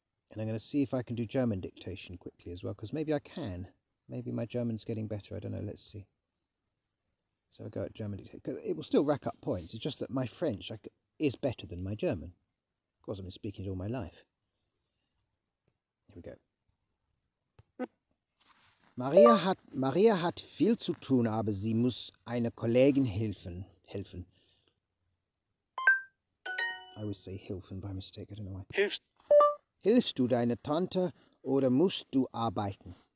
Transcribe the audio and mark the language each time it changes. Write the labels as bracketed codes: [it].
[en] And I'm going to see if I can do German dictation quickly as well, because maybe I can. Maybe my German's getting better. I don't know. Let's see. So I go at German dictation. Because it will still rack up points. It's just that my French is better than my German. Of course, I've been speaking it all my life. Here we go. [de] Maria hat viel zu tun, aber sie muss einer Kollegin helfen. [en] I always say helfen by mistake. I don't know why. [de] Hilfst du deiner Tante oder musst du arbeiten?